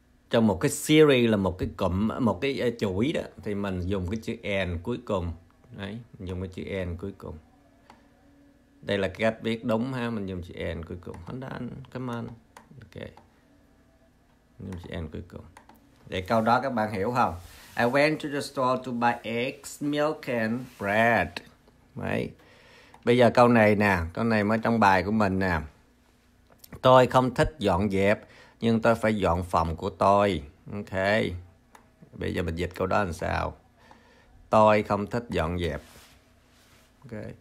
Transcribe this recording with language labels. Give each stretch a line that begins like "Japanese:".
Vietnamese: Trong một cái series là một cái cụm, một cái chuỗi đó, thì mình dùng cái chữ and cuối cùng. Đấy, mình dùng cái chữ and cuối cùng. Đây là cách viết đúng ha, mình dùng chữ and cuối cùng. Hắn đan, cảm ơn. Ok. Mình dùng chữ and cuối cùng. Để câu đó các bạn hiểu không?
English: I went to the store to buy eggs, milk and bread.
Vietnamese: Đấy. Bây giờ câu này nè, câu này mới trong bài của mình nè. Tôi không thích dọn dẹp, nhưng tôi phải dọn phòng của tôi. Ok. Bây giờ mình dịch câu đó làm sao? Tôi không thích dọn dẹp. Ok.